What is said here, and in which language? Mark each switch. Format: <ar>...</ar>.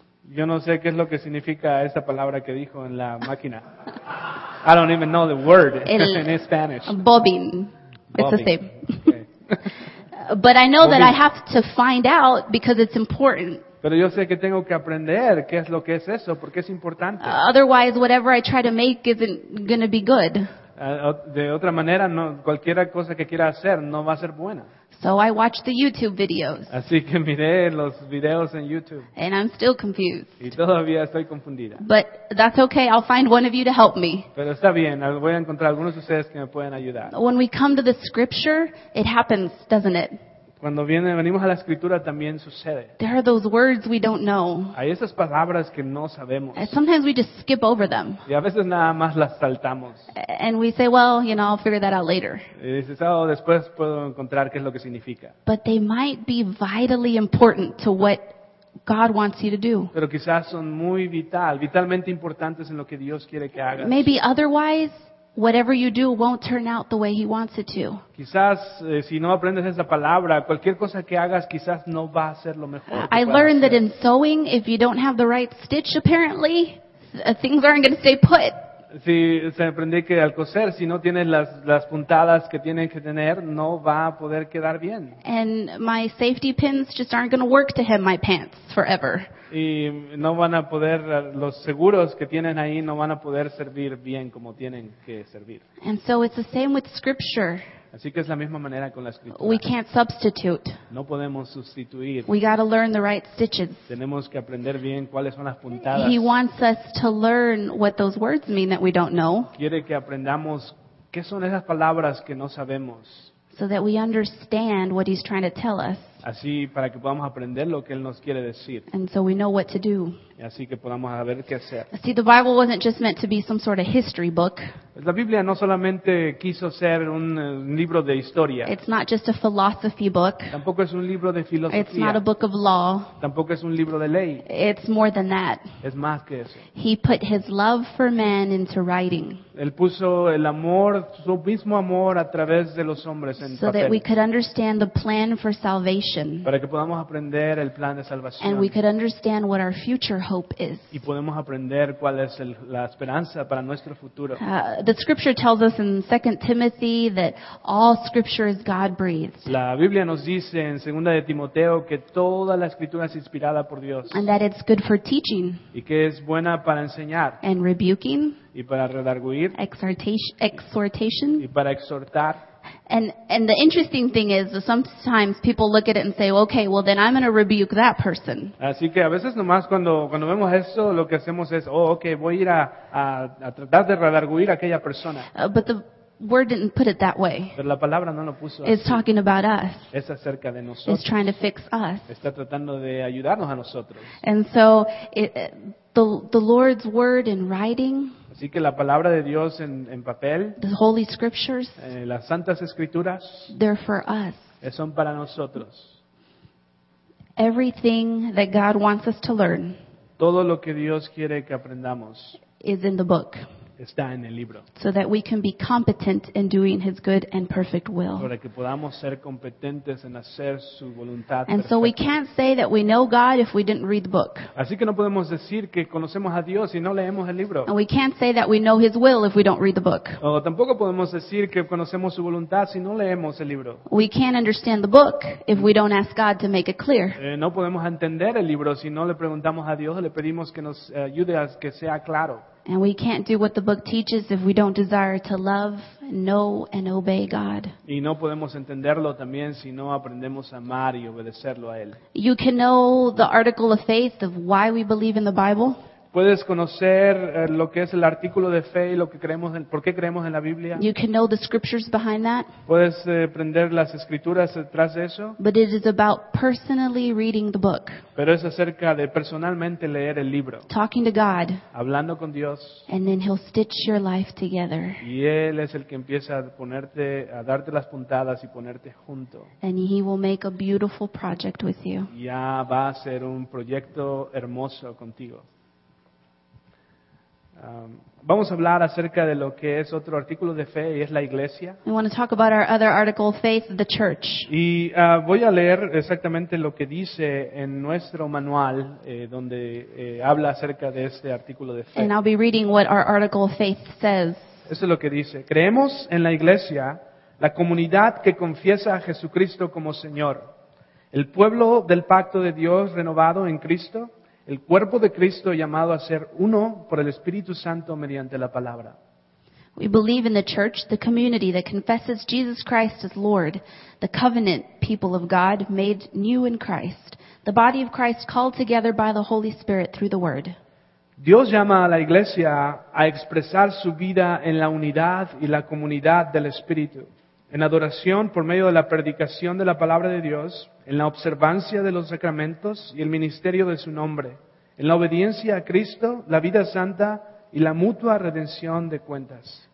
<es>Yo no sé qué es lo que significa esta palabra que dijo en la máquina.</es> <en>I don't even know the word in Spanish. Bobbin. It's the same. But I know that I have to find out because it's important.</en> <es>Pero yo sé que tengo que aprender qué es lo que es eso porque es importante.</es> <en>Otherwise, whatever I try to make isn't going to be good.</en> <es>De otra manera, no, cualquier cosa que quiera hacer no va a ser buena.</es> <en>So I watched the YouTube videos.</en> <es>Así que miré los videos en YouTube.</es> <en>And I'm still confused.</en> <es>Y todavía estoy confundida.</es> <en>But that's okay. I'll find one of you to help me.</en> <es>Pero está bien. Voy a encontrar algunos de ustedes que me pueden ayudar.</es> <en>When we come to the scripture, it happens, doesn't it?</en> <es>Cuando venimos a la escritura también sucede.</es> <en>There are those words we don't know.</en> <es>Hay esas palabras que no sabemos.</es> <en>And sometimes we just skip over them.</en> <es>Y a veces nada más las saltamos.</es> <en>And we say, well, you know, I'll figure that out later.</en> <es>Y dices, oh, después puedo encontrar qué es lo que significa.</es> <en>But they might be vitally important to what God wants you to do.</en> <es>Pero quizás son muy vitalmente importantes en lo que Dios quiere que hagas.</es> <en>Maybe otherwise whatever you do won't turn out the way he wants it to.</en> <es>Quizás si no aprendes esa palabra, cualquier cosa que hagas quizás no va a ser lo mejor que</es> <en>I learned</en> <es>hacer</es> <en>that in sewing, if you don't have the right stitch, apparently, things aren't going to stay put.</en> <es>Si se aprende que al coser, si no tienes las puntadas que tienen que tener, no va a poder quedar bien.</es> <en>And my safety pins just aren't going to work to hem my pants forever.</en> <es>Y no van a poder, los seguros que tienen ahí no van a poder servir bien como tienen que servir.</es> <en>And so it's the same with Scripture.</en> <es>Así que es la misma manera con la Escritura.</es> <en>We can't substitute.</en> <es>No podemos sustituir.</es> <en>We got to learn the right stitches.</en> <es>Tenemos que aprender bien cuáles son las puntadas.</es> <en>He wants us to learn what those words mean that we don't know.</en> <es>Quiere que aprendamos qué son esas palabras que no sabemos.</es> <en>So that we understand what he's trying to tell us.</en> <es>Así para que podamos aprender lo que él nos quiere decir.</es> <en>And so we know what to do.</en> <es>Y así que podamos saber qué hacer.</es> <en>See, the Bible wasn't just meant to be some sort of history book.</en> <es>La Biblia no solamente quiso ser un libro de historia.</es> <en>It's not just a philosophy book.</en> <es>Tampoco es un libro de filosofía.</es> <en>It's not a book of law.</en> <es>Tampoco es un libro de ley.</es> <en>It's more than that.</en> <es>Es más que eso.</es> <en>He put his love for man into writing.</en> <es>Él puso el amor, su mismo amor a través de los hombres en papel.</es> <en>So that we could understand the plan for salvation.</en> <es>Para que podamos aprender el plan de salvación.</es> <en>And we could understand what our future hope is.</en> <es>Y podemos aprender cuál es la esperanza para nuestro futuro.</es> <en>The scripture tells us in 2 Timothy that all scripture is God-breathed.</en> <es>La Biblia nos dice en 2 de Timoteo que toda la escritura es inspirada por Dios.</es> <en>And that it's good for teaching.</en> <es>Y que es buena para enseñar.</es> <en>And rebuking.</en> <es>Y para redarguir.</es> <en>Exhortation.</en> <es>Y para exhortar.</es> <en>And the interesting thing is that sometimes people look at it and say, okay, well then I'm going to rebuke that person.</en> <es>Así que a veces nomás cuando vemos eso, lo que hacemos es, oh, okay, voy a ir a tratar de redarguir a aquella persona.</es> <en>But the word didn't put it that way.</en> <es>Pero la palabra no lo puso así.</es> <en>It's talking about us.</en> <es>Es acerca de nosotros.</es> <en>It's trying to fix us.</en> <es>Está tratando de ayudarnos a nosotros.</es> <en>And so the Lord's word in writing.</en> <es>Así que la palabra de Dios en papel,</es> <en>the Holy Scriptures,</en> <es>las Santas Escrituras,</es> <en>they're for us.</en> <es>Son para nosotros.</es> <en>Everything that God wants us to learn,</en> <es>todo lo que Dios quiere que aprendamos,</es> <en>is in the book.</en> <es>Está en el libro.</es> <en>So that we can be competent in doing His good and perfect will.</en> <es>Para que podamos ser competentes en hacer su voluntad.</es> <en>And</en> <es>perfecta.</es> <en>So we can't say that we know God if we didn't read the book.</en> <es>Así que no podemos decir que conocemos a Dios si no leemos el libro.</es> <en>And we can't say that we know His will if we don't read the book.</en> <es>O tampoco podemos decir que conocemos su voluntad si no leemos el libro.</es> <en>We can't understand the book if we don't ask God to make it clear.</en> <es>No podemos entender el libro si no le preguntamos a Dios, le pedimos que nos ayude a que sea claro.</es> <en>And we can't do what the book teaches if we don't desire to love, know, and obey God.</en> <es>Y no podemos entenderlo también si no aprendemos a amar y obedecerlo a él.</es> <en>You can know the article of faith of why we believe in the Bible.</en> <es>Puedes conocer lo que es el artículo de fe y lo que creemos, por qué creemos en la Biblia.</es> <en>You can know the scriptures behind that.</en> <es>Puedes aprender las escrituras detrás de eso.</es> <en>But it is about personally reading the book.</en> <es>Pero es acerca de personalmente leer el libro.</es> <en>Talking to God.</en> <es>Hablando con Dios.</es> <en>And then He'll stitch your life together.</en> <es>Y Él es el que empieza a ponerte, a darte las puntadas y ponerte junto.</es> <en>And He will make a beautiful project with you.</en> <es>Ya va a ser un proyecto hermoso contigo. Vamos a hablar acerca de lo que es otro artículo de fe y es la iglesia.</es> <en>We want to talk about our other article of faith, the church.</en> <es>Y voy a leer exactamente lo que dice en nuestro manual donde habla acerca de este artículo de fe.</es> <en>And I'll be reading what our article of faith says.</en> <es>Eso es lo que dice. Creemos en la iglesia, la comunidad que confiesa a Jesucristo como Señor, el pueblo del pacto de Dios renovado en Cristo, el cuerpo de Cristo llamado a ser uno por el Espíritu Santo mediante la palabra.</es> <en>We believe in the church, the community that confesses Jesus Christ as Lord, the covenant people of God made new in Christ, the body of Christ called together by the Holy Spirit through the Word.</en> <es>Dios llama a la iglesia a expresar su vida en la unidad y la comunidad del Espíritu, en adoración por medio de la predicación de la palabra de Dios, en la observancia de los sacramentos y el ministerio de su nombre, en la obediencia a Cristo, la vida santa y la mutua redención de cuentas.</es>